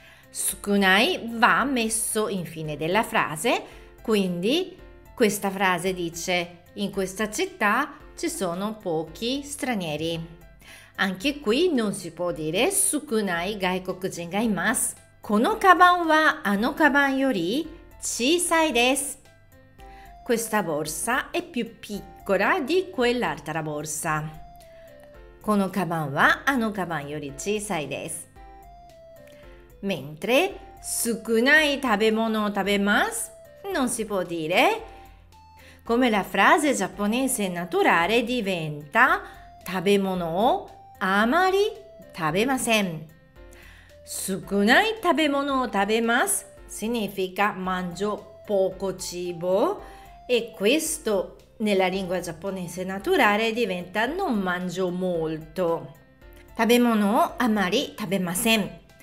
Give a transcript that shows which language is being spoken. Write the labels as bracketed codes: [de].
[it] Sukunai va messo in fine della frase, quindi questa frase dice in questa città ci sono pochi stranieri. Anche qui non si può dire [ja] sukunai gaikokujin ga imasu. このカバンはあのカバンより小さいです。 [it] Questa borsa è più piccola di quell'altra borsa. [ja] このカバンはあのカバンより小さいです。Mentre 少ない食べ物を食べます。 [it] Non si può dire. Come la frase giapponese naturale diventa [ja] 食べ物をあまり食べません。 Sukunai tabemono tabemasu [it] significa mangio poco cibo e questo nella lingua giapponese naturale diventa non mangio molto. [ja] Tabemono amari tabemasen.